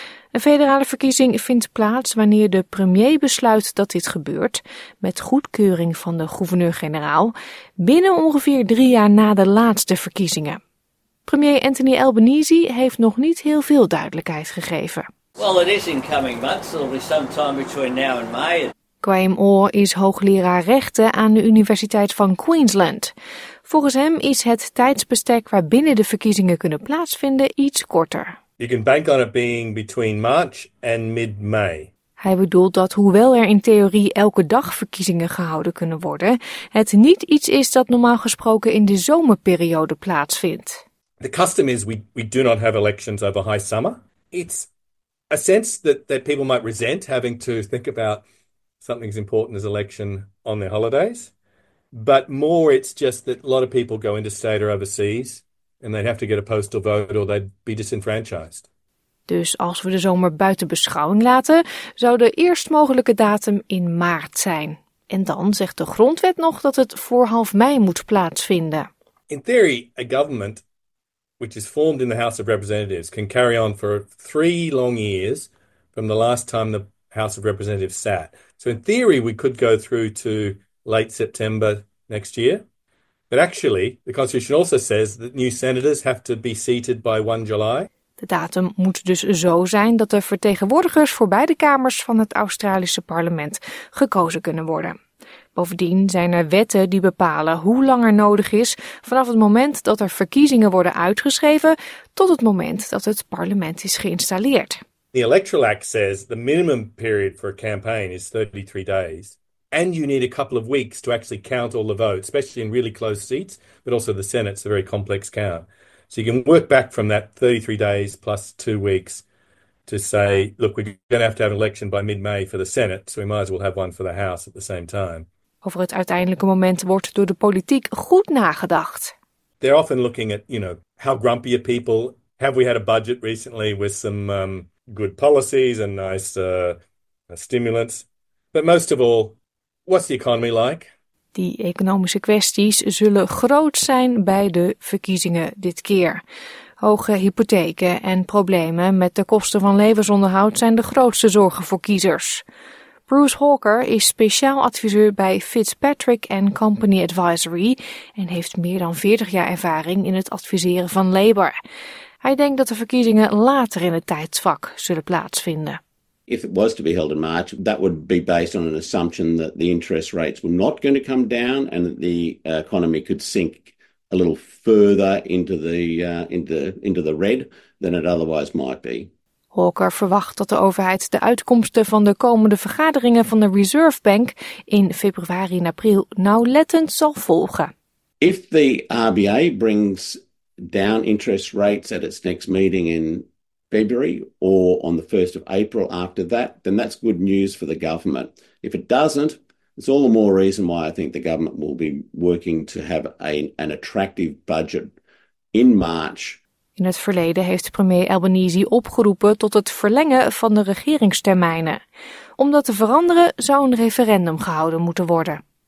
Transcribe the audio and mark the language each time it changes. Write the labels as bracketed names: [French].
[Dutch] Een federale verkiezing vindt plaats wanneer de premier besluit dat dit gebeurt, met goedkeuring van de gouverneur-generaal, binnen ongeveer 3 jaar na de laatste verkiezingen. Premier Anthony Albanese heeft nog niet heel veel duidelijkheid gegeven. [English] Well, it is in coming months. It'll be some time between now and May. [Dutch] Graham Orr is hoogleraar rechten aan de Universiteit van Queensland. Volgens hem is het tijdsbestek waarbinnen de verkiezingen kunnen plaatsvinden iets korter. [English] You can bank on it being between March and mid-May. [Dutch] Hij bedoelt dat hoewel er in theorie elke dag verkiezingen gehouden kunnen worden, het niet iets is dat normaal gesproken in de zomerperiode plaatsvindt. [English] The custom is we do not have elections over high summer. It's a sense that people might resent having to think about something's important as election on their holidays. But more it's just that a lot of people go interstate or overseas and they'd have to get a postal vote or they'd be disenfranchised. [Dutch] Dus als we de zomer buiten beschouwing laten, zou de eerst mogelijke datum in maart zijn. En dan zegt de grondwet nog dat het voor half mei moet plaatsvinden. [English] In theory, a government which is formed in the House of Representatives can carry on for 3 long years from the last time the House of Representatives sat. So in theory we could go through to late September next year. But actually the constitution also says that new senators have to be seated by 1 July. [Dutch] De datum moet dus zo zijn dat de vertegenwoordigers voor beide kamers van het Australische parlement gekozen kunnen worden. Bovendien zijn er wetten die bepalen hoe lang er nodig is vanaf het moment dat er verkiezingen worden uitgeschreven tot het moment dat het parlement is geïnstalleerd. [English] The Electoral Act says the minimum period for a campaign is 33 days. And you need a couple of weeks to actually count all the votes, especially in really close seats, but also the Senate. It's a very complex count. So you can work back from that 33 days plus 2 weeks to say, look, we're going to have an election by mid-May for the Senate, so we might as well have one for the House at the same time. [Dutch] Over het uiteindelijke moment wordt door de politiek goed nagedacht. [English] They're often looking at, you know, how grumpy are people? Have we had a budget recently with some good policies and nice stimulants. But most of all, what's the economy like? [Dutch] Die economische kwesties zullen groot zijn bij de verkiezingen dit keer. Hoge hypotheken en problemen met de kosten van levensonderhoud zijn de grootste zorgen voor kiezers. Bruce Hawker is speciaal adviseur bij Fitzpatrick and Company Advisory en heeft meer dan 40 jaar ervaring in het adviseren van Labour. Hij denkt dat de verkiezingen later in het tijdsvak zullen plaatsvinden. [English] If it was to be held in March, that would be based on an assumption that the interest rates were not going to come down and that the economy could sink a little further into the red than it otherwise might be. [Dutch] Hawker verwacht dat de overheid de uitkomsten van de komende vergaderingen van de Reserve Bank in februari en april nauwlettend zal volgen. [English] If the RBA brings down interest rates at its next meeting in February or on the 1st of April after that, then that's good news for the government. If it doesn't, it's all the more reason why I think the government will be working to have an attractive budget in March. [Dutch] In het verleden heeft premier Albanese opgeroepen tot het verlengen van de regeringstermijnen. Om dat te veranderen zou een referendum gehouden moeten worden.